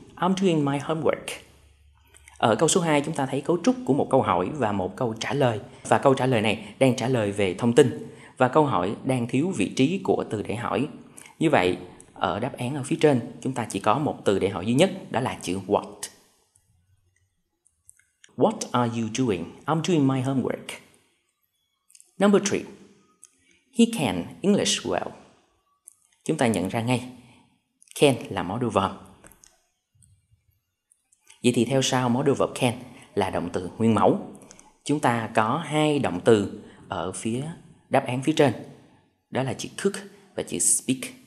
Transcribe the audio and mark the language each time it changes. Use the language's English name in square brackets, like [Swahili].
[English] I'm doing my homework. [Vietnamese] Ở câu số 2, chúng ta thấy cấu trúc của một câu hỏi và một câu trả lời. Và câu trả lời này đang trả lời về thông tin. Và câu hỏi đang thiếu vị trí của từ để hỏi. Như vậy, ở đáp án ở phía trên, chúng ta chỉ có một từ để hỏi duy nhất, đó là chữ what. [English] What are you doing? I'm doing my homework. Number 3. He can English well. [Vietnamese] Chúng ta nhận ra ngay, can là modal verb. Vậy thì theo sau modal verb can là động từ nguyên mẫu. Chúng ta có hai động từ ở phía đáp án phía trên, đó là chữ cook và chữ speak.